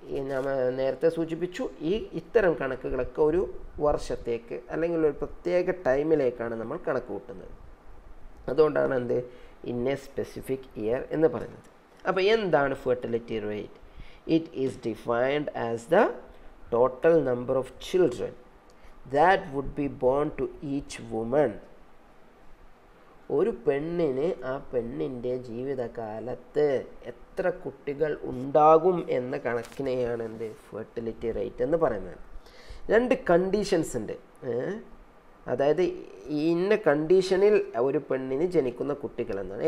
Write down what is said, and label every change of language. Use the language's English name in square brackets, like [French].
[Malayalam] ഈ നമ്മൾ നേരത്തെ സൂചിപ്പിച്ചു, ഈ ഇത്തരം കണക്കുകളൊക്കെ ഒരു വർഷത്തേക്ക് അല്ലെങ്കിൽ ഒരു പ്രത്യേക ടൈമിലേക്കാണ് നമ്മൾ കണക്ക് കൂട്ടുന്നത്. അതുകൊണ്ടാണ് എന്ത് ഇന്നെ സ്പെസിഫിക് ഇയർ എന്ന് പറയുന്നത്. അപ്പോൾ എന്താണ് [English] Fertility rate? It is defined as the total number of children that would be born to each woman. [Malayalam] ഒരു പെണ്ണിന് ആ പെണ്ണിൻ്റെ ജീവിതകാലത്ത് എത്ര കുട്ടികൾ ഉണ്ടാകും എന്ന കണക്കിനെയാണ് എൻ്റെ ഫെർട്ടിലിറ്റി റേറ്റ് എന്ന് പറയുന്നത്. രണ്ട് കണ്ടീഷൻസ് ഉണ്ട്. അതായത് ഇന്ന കണ്ടീഷനിൽ ഒരു പെണ്ണിന് ജനിക്കുന്ന കുട്ടികൾ എന്നാണ്.